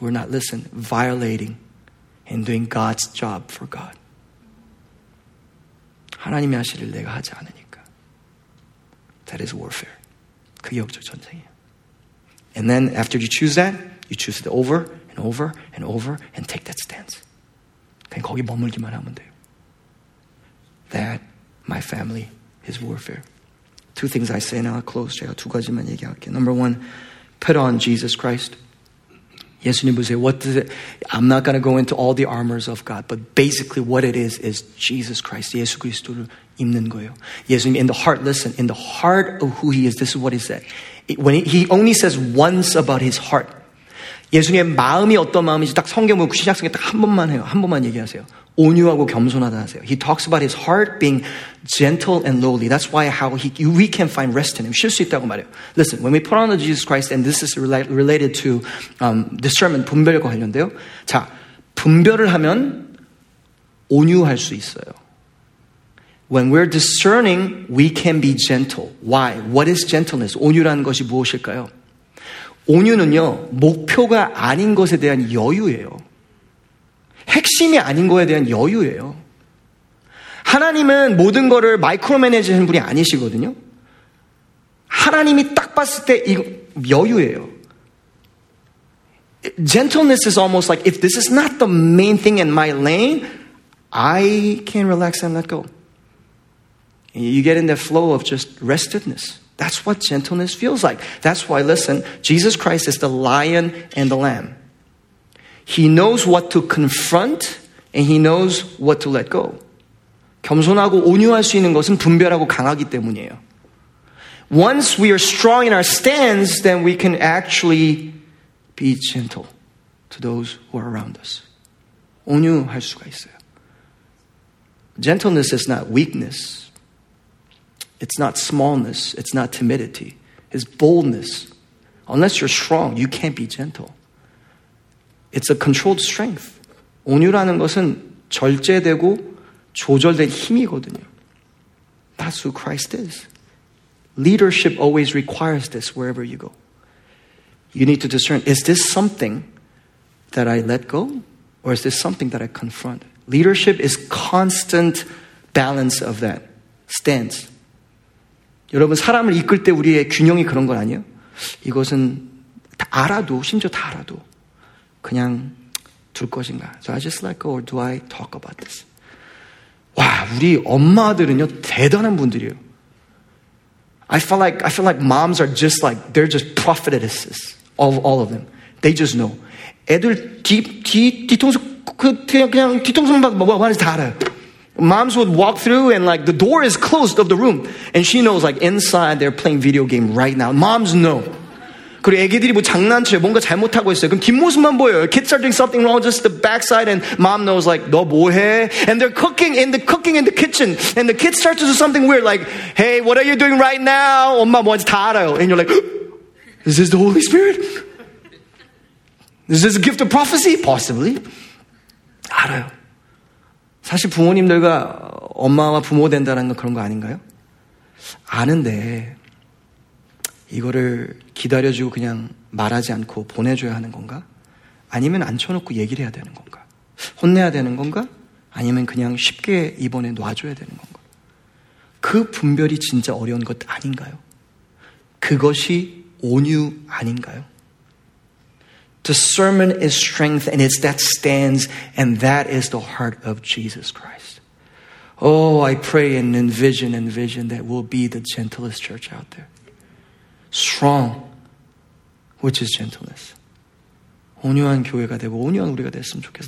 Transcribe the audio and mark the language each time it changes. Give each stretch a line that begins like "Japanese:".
English: We're not, listen, violating and doing God's job for God.
Korean: 하나님의 하실 일 내가 하지 않으니까.
English: That is warfare.
Korean: 그게 영적 전쟁이에요.
English: And then after you choose that, you choose it over and over and over and take that stance.
Korean: 그냥 거기 머물기만 하면 돼요.
English: That, my family, is warfare. Two things I say now, I'll close.
Korean: 제가 두 가지만 얘기할게요.
English: Number one, put on Jesus Christ.
Korean: 예수님 보세요.
English: What does it, I'm not going to go into all the armors of God, but basically what it is Jesus Christ,
Korean: 예수 그리스도를 입는 거예요.
English: 예수님, in the heart, listen, in the heart of who he is, this is what he said. When he only says once about his heart.
Korean: 예수님의 마음이 어떤 마음인지 딱 성경을 신약성경 딱 한 번만 해요. 한 번만 얘기하세요. 온유하고 겸손하다 하세요.
English: He talks about his heart being gentle and lowly. That's why how we can find rest in him.
Korean: 쉴 수 있다고 말해요.
English: Listen, when we put on the Jesus Christ, and this is related to discernment,
Korean: 분별과 관련돼요. 자, 분별을 하면 온유할 수 있어요.
English: When we're discerning, we can be gentle. Why? What is gentleness?
Korean: 온유라는 것이 무엇일까요? 온유는요, 목표가 아닌 것에 대한 여유예요. 핵심이 아닌 거에 대한 여유예요. 하나님은 모든 거를 마이크로 매니지하는 분이 아니시거든요. 하나님이 딱 봤을 때 이거 여유예요.
English: Gentleness is almost like, if this is not the main thing in my lane, I can relax and let go. You get in that flow of just restedness. That's what gentleness feels like. That's why, listen, Jesus Christ is the lion and the lamb. He knows what to confront, and he knows what to let go.
Korean: 겸손하고 온유할 수 있는 것은 분별하고 강하기 때문이에요.
English: Once we are strong in our stance, then we can actually be gentle to those who are around us.
Korean: 온유할 수가 있어요.
English: Gentleness is not weakness. It's not smallness. It's not timidity. It's boldness. Unless you're strong, you can't be gentle. It's a controlled strength. 온유라는 것은 절제되고 조절된 힘이거든요. That's who Christ is. Leadership always requires this wherever you go. You need to discern, is this something that I let go? Or is this something that I confront? Leadership is constant balance of that stance.
Korean: 여러분, 사람을 이끌 때 우리의 균형이 그런 건 아니에요? 이것은 다 알아도, 심지어 다 알아도 그냥 둘 것인가?
English: Do I just let go or do I talk about this?
Korean: 와, 우리 엄마들은요, 대단한 분들이에요.
English: I feel like moms are just like, they're just prophetesses, all of them. They just know.
Korean: 애들 뒤통수만 다 알아요.
English: Moms would walk through and like the door is closed of the room. And she knows like inside they're playing video game right now. Moms know.
Korean: 그리고 애기들이 뭐 장난쳐요. 뭔가 잘못하고 있어요. 그럼 뒷모습만 보여요.
English: Kids are doing something wrong, just the backside, and mom knows like,
Korean: 너 뭐해?
English: And they're cooking in the kitchen. And the kids start to do something weird like, hey, what are you doing right now?
Korean: 엄마 뭔지 다 알아요.
English: And you're like, is this the Holy Spirit? Is this a gift of prophecy? Possibly.
Korean: 알아요. 사실 부모님들과 엄마와 부모 된다는 건 그런 거 아닌가요? 아는데 이거를 기다려주고 그냥 말하지 않고 보내줘야 하는 건가? 아니면 앉혀놓고 얘기를 해야 되는 건가? 혼내야 되는 건가? 아니면 그냥 쉽게 이번에 놔줘야 되는 건가? 그 분별이 진짜 어려운 것 아닌가요? 그것이 온유 아닌가요?
English: Discernment is strength, and it's that stands, and that is the heart of Jesus Christ. Oh, I pray and envision that we'll be the gentlest church out there. Strong, which is gentleness.
Korean: 온유한 교회가 되고 온유한 우리가 됐으면 좋겠어요.